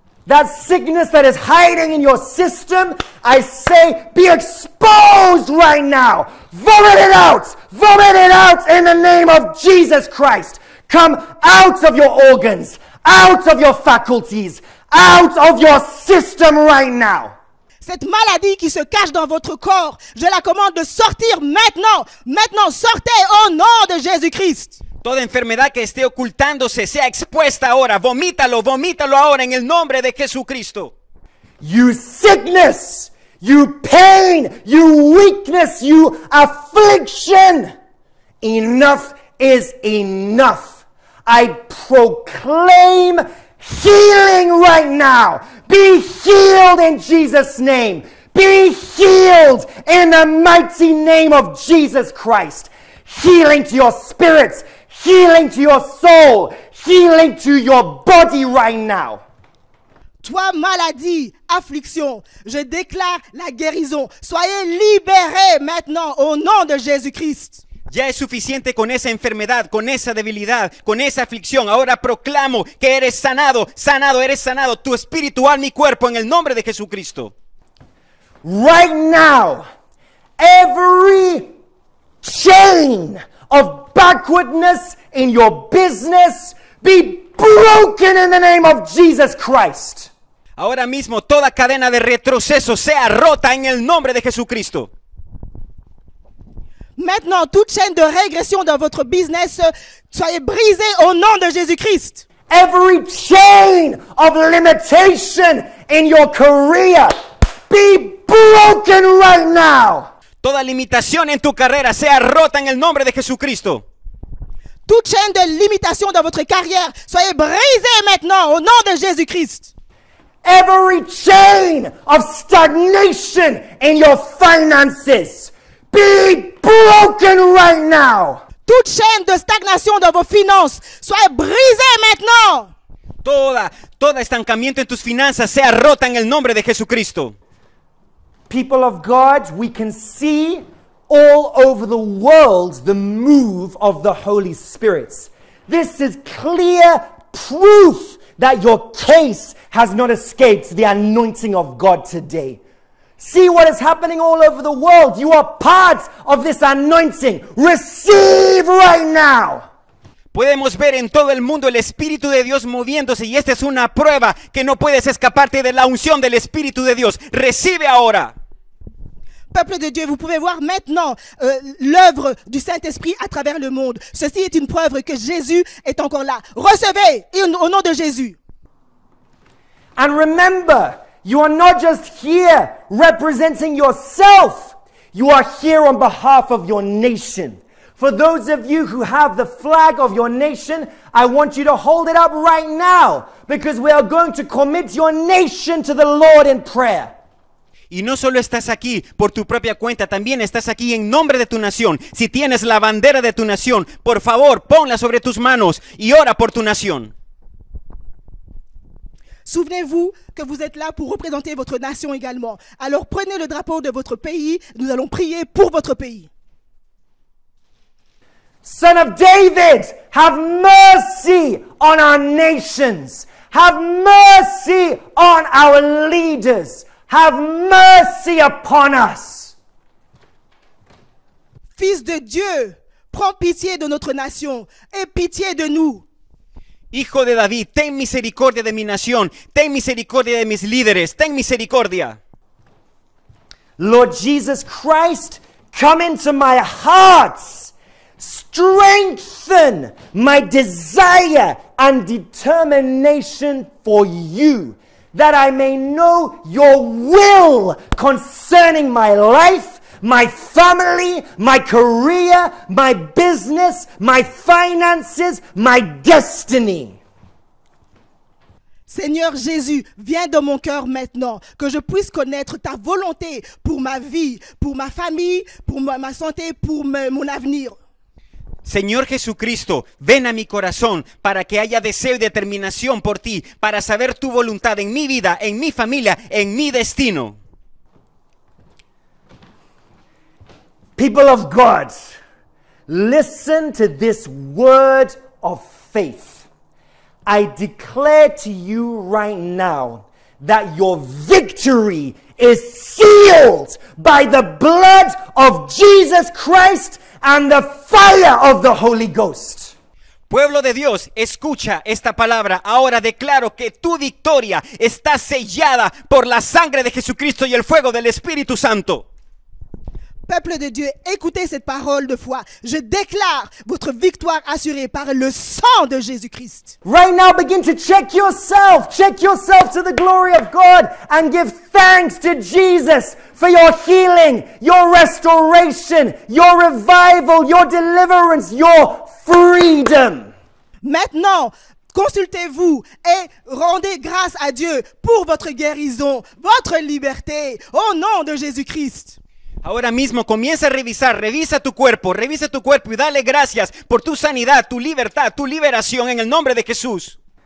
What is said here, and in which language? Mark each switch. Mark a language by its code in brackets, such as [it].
[en] That sickness that is hiding in your system, I say, be exposed right now. Vomit it out in the name of Jesus Christ. Come out of your organs, out of your faculties, out of your system right now. [fr] Cette maladie qui se cache dans votre corps, je la commande de sortir maintenant. Maintenant, sortez au nom de Jésus-Christ. [es] Toda enfermedad que esté ocultándose sea expuesta ahora. Vomítalo, vomítalo ahora en el nombre de Jesucristo. [en] You sickness, you pain, you weakness, you affliction. Enough is enough. I proclaim healing right now. Be healed in Jesus' name. Be healed in the mighty name of Jesus Christ. Healing to your spirit. Healing to your soul. Healing to your body right now. [fr] Toi, maladie, affliction, je déclare la guérison. Soyez libérés maintenant au nom de Jésus Christ. [es] Ya es suficiente con esa enfermedad, con esa debilidad, con esa aflicción. Ahora proclamo que eres sanado, sanado, eres sanado. Tu espíritu, alma y cuerpo en el nombre de Jesucristo. [en] Right now, every chain of backwardness in your business be broken in the name of Jesus Christ. [es] Ahora mismo, toda cadena de retroceso sea rota en el nombre de Jesucristo. [fr] Maintenant, toute chaîne de régression dans votre business, soyez brisée au nom de Jésus-Christ. [en] Every chain of limitation in your career, be broken right now. [es] Toda limitación en tu carrera sea rota en el nombre de Jesucristo. [fr] Toute chaîne de limitation dans votre carrière, soyez brisée maintenant au nom de Jésus-Christ. [en] Every chain of stagnation in your finances, be broken right now. [fr] Toute chaîne de stagnation dans vos finances, soyez brisée maintenant. [es] Todo estancamiento en tus finanzas sea rota en el nombre de Jesucristo. [en] People of God, we can see all over the world the move of the Holy Spirit. This is clear proof that your case has not escaped the anointing of God today. See what is happening all over the world. You are part of this anointing. Receive right now. [es] Podemos ver en todo el mundo el Espíritu de Dios moviéndose y esta es una prueba que no puedes escaparte de la unción del Espíritu de Dios. Recibe ahora. [fr] Peuple de Dieu, vous pouvez voir maintenant l'œuvre du Saint-Esprit à travers le monde. Ceci est une preuve que Jésus est encore là. Recevez au nom de Jésus. [en] And remember, you are not just here representing yourself. You are here on behalf of your nation. For those of you who have the flag of your nation, I want you to hold it up right now because we are going to commit your nation to the Lord in prayer. [es] Y no solo estás aquí por tu propia cuenta, también estás aquí en nombre de tu nación. Si tienes la bandera de tu nación, por favor, ponla sobre tus manos y ora por tu nación. [fr] Souvenez-vous que vous êtes là pour représenter votre nation également. Alors prenez le drapeau de votre pays, nous allons prier pour votre pays. [en] Son of David, have mercy on our nations. Have mercy on our leaders. Have mercy upon us. [fr] Fils de Dieu, prends pitié de notre nation et pitié de nous. [es] Hijo de David, ten misericordia de mi nación, ten misericordia de mis líderes, ten misericordia. [en] Lord Jesus Christ, come into my heart. Strengthen my desire and determination for you, that I may know your will concerning my life, my family, my career, my business, my finances, my destiny. [fr] Seigneur Jésus, viens dans mon cœur maintenant, que je puisse connaître ta volonté pour ma vie, pour ma famille, pour ma santé, pour mon avenir. [es] Señor Jesucristo, ven a mi corazón para que haya deseo y determinación por ti, para saber tu voluntad en mi vida, en mi familia, en mi destino. [en] People of God, listen to this word of faith. I declare to you right now that your victory is sealed by the blood of Jesus Christ and the fire of the Holy Ghost. [es] Pueblo de Dios, escucha esta palabra. Ahora declaro que tu victoria está sellada por la sangre de Jesucristo y el fuego del Espíritu Santo. [fr] Peuple de Dieu, écoutez cette parole de foi. Je déclare votre victoire assurée par le sang de Jésus-Christ. [en] Right now, begin to check yourself. Check yourself to the glory of God and give thanks to Jesus for your healing, your restoration, your revival, your deliverance, your freedom. [fr] Maintenant, consultez-vous et rendez grâce à Dieu pour votre guérison, votre liberté, au nom de Jésus-Christ. [es] Ahora mismo comienza a revisar, revisa tu cuerpo y dale gracias por tu sanidad, tu libertad, tu liberación en el nombre de Jesús.